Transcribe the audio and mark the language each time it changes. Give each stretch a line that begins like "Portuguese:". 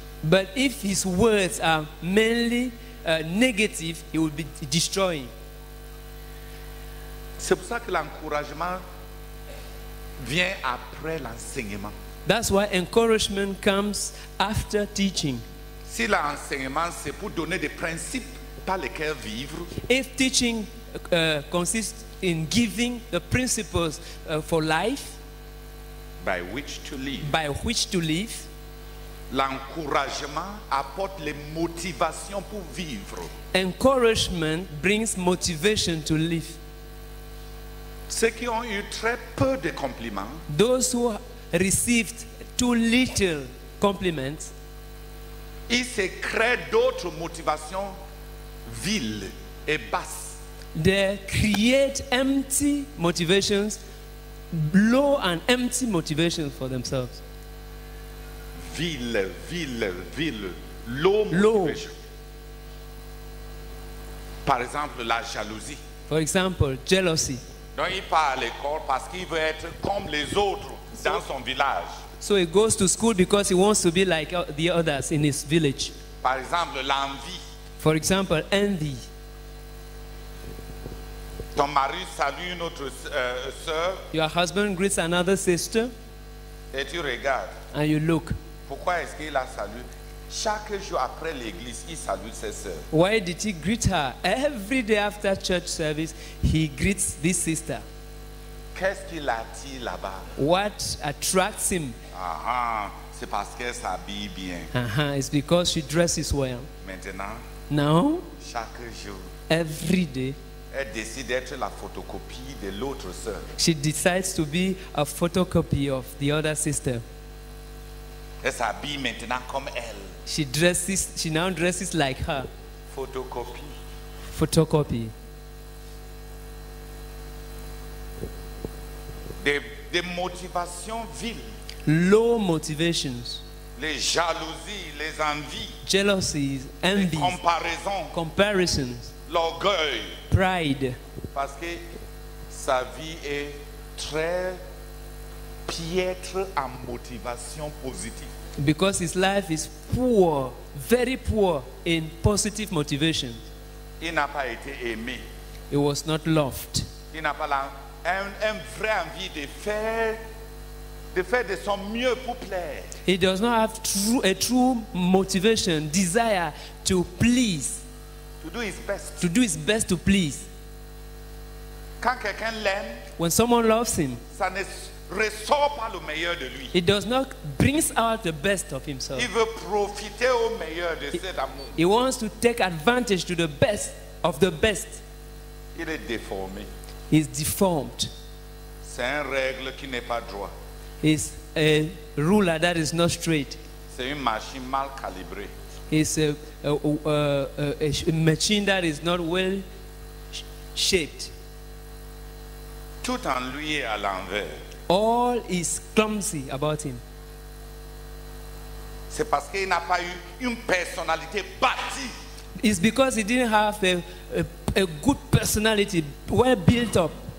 English: But if his words are mainly negative, he will be destroying.
French: C'est pour ça que l'encouragement vient après l'enseignement.
English: That's why encouragement comes after teaching.
French: Si l'enseignement c'est pour donner des principes par lesquels vivre.
English: If teaching consists in giving the principles for life, by which to live. By which to live.
French: L'encouragement apporte les motivations pour vivre.
English: Encouragement brings motivation to live.
French: Ceux qui ont eu très peu de compliments.
English: Those who received too little compliments.
French: Ils se créent d'autres motivations viles et basses.
English: They create empty motivations, low and empty motivations for themselves. Ville, low motivation.
French: Par exemple, la jalousie.
English: For example, jealousy.
French: Donc il part à l'école parce qu'il veut être comme les autres dans son village.
English: So he goes to school because he wants to be like the others in his village.
French: Par exemple, l'envie.
English: For example, envy.
French: Ton mari salue une autre sœur.
English: Your husband greets another sister.
French: Et tu regardes.
English: And you look.
French: Pourquoi est-ce qu'il la salue? Chaque jour après l'église, il salue ses sœurs.
English: Why did he greet her? Every day after church service, he greets this sister.
French: Qu'est-ce qu'il attire là-bas?
English: What attracts him?
French: C'est parce qu'elle s'habille bien.
English: It's because she dresses well.
French: Maintenant.
English: Now.
French: Chaque jour.
English: Every day.
French: Elle décide d'être la photocopie de l'autre sœur.
English: She decides to be a photocopy of the other sister.
French: Elle s'habille maintenant comme elle.
English: She now dresses like her.
French: Photocopie. Photocopie. Des motivations viles.
English: Low motivations.
French: Les jalousies, les envies.
English: Jealousies, envies.
French: Les comparaisons.
English: Comparisons.
French: L'orgueil.
English: Pride.
French: Parce que sa vie est très piètre en motivation positive.
English: Because his life is poor, very poor in positive motivation.
French: Il n'a pas été aimé.
English: He was not loved.
French: Il n'a pas un vrai envie de faire de son mieux pour plaire.
English: He does not have a true motivation, desire to please. To do his best. To do his best to please.
French: Quand quelqu'un l'aime,
English: when someone loves him,
French: ça ne ressort pas le meilleur de lui.
English: He does not bring out the best of himself.
French: Il veut profiter au meilleur de cet amour.
English: He wants to take advantage to the best of the best.
French: Il est déformé.
English: He's deformed.
French: C'est une règle qui n'est pas droit.
English: He's a ruler that is not straight.
French: C'est une machine mal calibrée.
English: He's a machine that is not well shaped.
French: Tout en lui est à l'envers.
English: All is clumsy about him.
French: C'est parce qu'il n'a pas eu une personnalité bâtie.
English: It's because he didn't have a good personality, well built up.